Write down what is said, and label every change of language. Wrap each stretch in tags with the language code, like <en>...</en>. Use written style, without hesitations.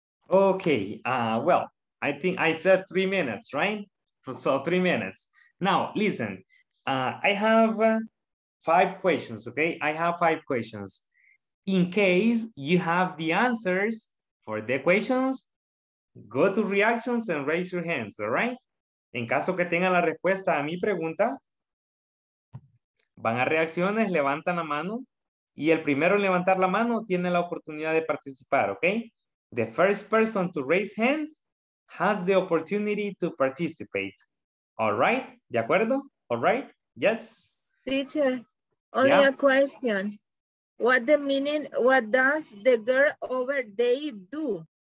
<en>Okay, well, I think I said 3 minutes, right? So 3 minutes. Now, listen, I have 5 questions, okay? I have 5 questions. In case you have the answers for the questions, go to reactions and raise your hands, all right?</en> <es>En caso que tenga la respuesta a mi pregunta, van a reacciones, levantan la mano, y el primero en levantar la mano tiene la oportunidad de participar, okay?</es> <en>The first person to raise hands has the opportunity to participate. All right?</en> <es>¿De acuerdo?</es> <en>All right? Yes? Teacher, only yeah. A question. What the meaning, what does the girl over there do?</en>